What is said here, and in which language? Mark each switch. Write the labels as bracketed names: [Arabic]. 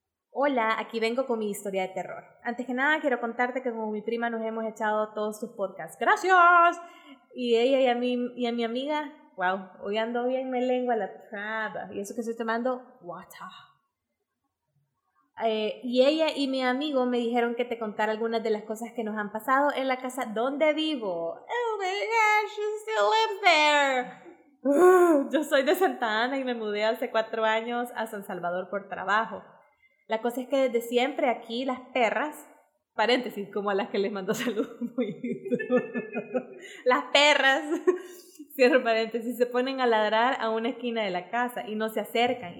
[Spanish] Hola, aquí vengo con mi historia de terror. Antes que nada, quiero contarte que con mi prima nos hemos echado todos sus podcasts. ¡Gracias! Y ella y a mi amiga. Wow, hoy ando bien me lengua la traba. Y eso que estoy tomando, water. Y ella y mi amigo me dijeron que te contara algunas de las cosas que nos han pasado en la casa donde vivo. [English] Oh my gosh, you still live there. [Spanish] Yo soy de Santa Ana y me mudé hace 4 años a San Salvador por trabajo. La cosa es que desde siempre aquí las perras, paréntesis, como a las que les mando saludos muy las perras, cierro paréntesis, se ponen a ladrar a una esquina de la casa y no se acercan.